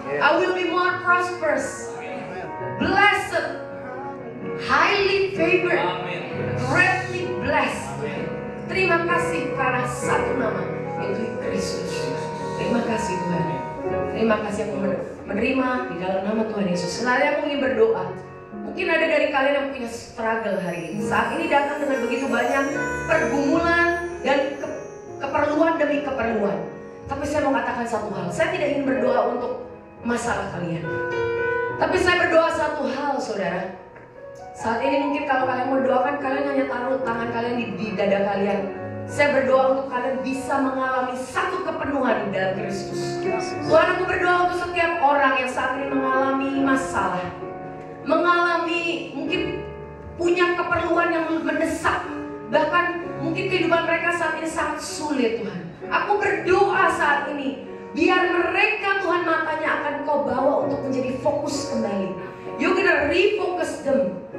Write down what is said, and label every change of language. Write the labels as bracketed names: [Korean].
[English] I will be more prosperous, blessed, highly favored, greatly blessed. [Indonesian] Terima kasih karena satu nama, yaitu Kristus. Terima kasih Tuhan. Terima kasih aku menerima di dalam nama Tuhan Yesus. Selalu aku ingin berdoa. Mungkin ada dari kalian yang punya struggle hari ini. Saat ini datang dengan begitu banyak pergumulan dan keperluan demi keperluan. Tapi saya mau katakan satu hal. Saya tidak ingin berdoa untuk masalah kalian. Tapi saya berdoa satu hal, saudara. Saat ini mungkin kalau kalian mau doakan, kalian hanya taruh tangan kalian di dada kalian. Saya berdoa untuk kalian bisa mengalami satu kepenuhan di dalam Kristus. Tuhan, aku berdoa untuk setiap orang yang saat ini mengalami masalah, mengalami mungkin punya keperluan yang mendesak, bahkan mungkin kehidupan mereka saat ini sangat sulit Tuhan. Aku berdoa saat ini biar mereka Tuhan matanya akan Kau bawa untuk menjadi fokus kembali. [English] You're gonna refocus them.